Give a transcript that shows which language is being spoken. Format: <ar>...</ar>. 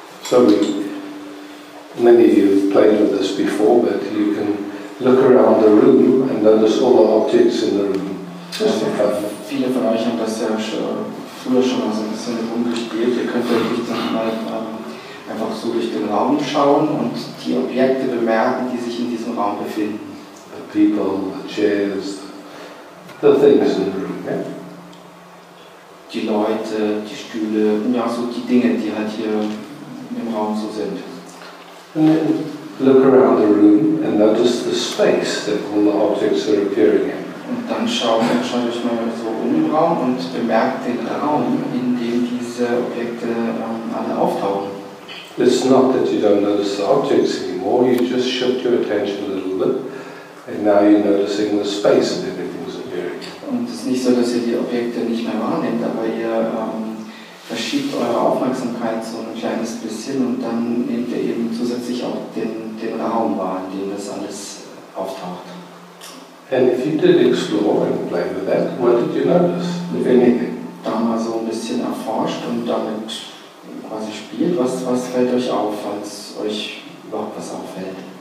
<en>Many of you have played with this before, but you can look around the room and notice all the objects in the room. Just for fun.</en> <de>Viele von euch haben das ja schon früher schon mal so ein bisschen rumgespielt. Ihr könnt wirklich dann mal einfach so durch den Raum schauen und die Objekte bemerken, die sich in diesem Raum befinden.</de> <en>The people, the chairs, the things in the room. Yeah?</en> <de>Die Leute, die Stühle, ja, so die Dinge, die halt hier im Raum so sind.</de> <en>And then look around the room and notice the space that all the objects are appearing in.</en> <de>Und dann schau ich mal so um den Raum und bemerkt den Raum, in dem diese Objekte alle auftauchen.</de> <en>It's not that you don't notice the objects anymore, you just shift your attention a little bit and now you're noticing the space that everything's appearing.</en> <de>Und es ist nicht so, dass ihr die Objekte nicht mehr wahrnehmt, aber ihr verschiebt eure Aufmerksamkeit so ein kleines bisschen und dann nehmt ihr eben zusätzlich auch den Raum wahr, in dem das alles auftaucht.</de> <en>And if you did explore and play with that, what did you notice, if anything?</en> <de>Da mal so ein bisschen erforscht und damit quasi spielt, was fällt euch auf, falls euch überhaupt was auffällt?</de>